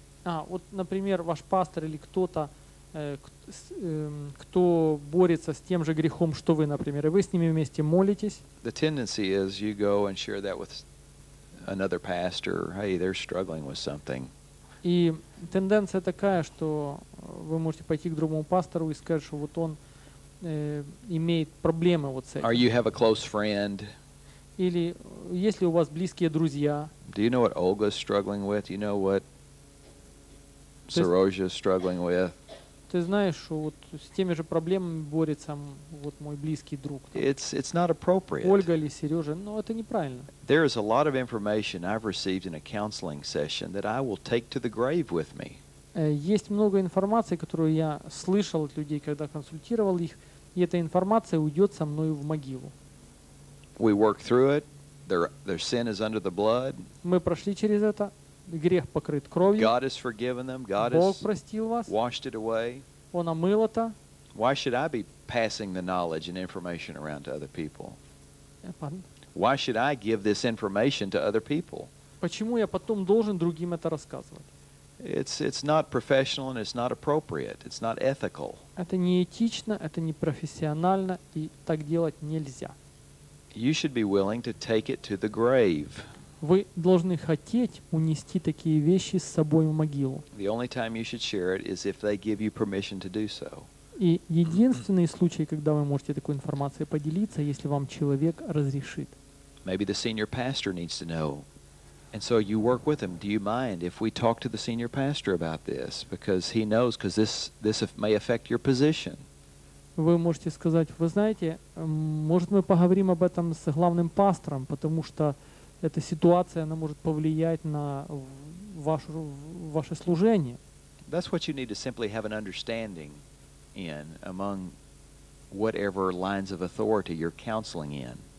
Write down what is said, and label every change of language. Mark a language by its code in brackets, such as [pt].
[ru] Вот, например, ваш пастор или кто-то, кто борется с тем же грехом, что вы, например, и вы с ними вместе молитесь. [en] The tendency is you go and share that with another pastor. Hey, they're struggling with something. [ru] И тенденция такая, что вы можете пойти к другому пастору и сказать, что вот он имеет проблемы вот с этим. [en] Or you have a close friend. [ru] Или есть ли у вас близкие друзья? [en] Do you know what Olga's struggling with? You know what Saroja's struggling with? [ru] Ты знаешь, что вот с теми же проблемами борется вот мой близкий друг. [en] It's not appropriate. [ru] Ольга или Сережа, ну это неправильно. [en] There is a lot of information I've received in a counseling session that I will take to the grave with me. [ru] Есть много информации, которую я слышал от людей, когда консультировал их, и эта информация уйдет со мною в могилу. [en] We work through it. Their sin is under the blood. [ru] Мы прошли через это. Грех покрыт кровью. [en] God has forgiven them. God [ru] Бог простил вас. [en] Washed it away. [ru] Он омыл это. [en] Why should I be passing the knowledge and information around to other people? Pardon? Why should I give this information to other people? [ru] Почему я потом должен другим это рассказывать? [en] It's not professional and it's not appropriate. It's not ethical. [ru] Это не этично, это не профессионально, и так делать нельзя. [en] You should be willing to take it to the grave. [ru] Вы должны хотеть унести такие вещи с собой в могилу. [en] The only time you should share it is if they give you permission to do so. [ru] И единственный случай, когда вы можете такой информацией поделиться, если вам человек разрешит. [en] Maybe the senior pastor needs to know. And so you work with him. Do you mind if we talk to the senior pastor about this? Because he knows, because this may affect your position. [ru] Вы можете сказать, вы знаете, может мы поговорим об этом с главным пастором, потому что эта ситуация, она может повлиять на ваше служение. [en] That's what you need to simply have an understanding in among whatever lines of authority you're counseling in.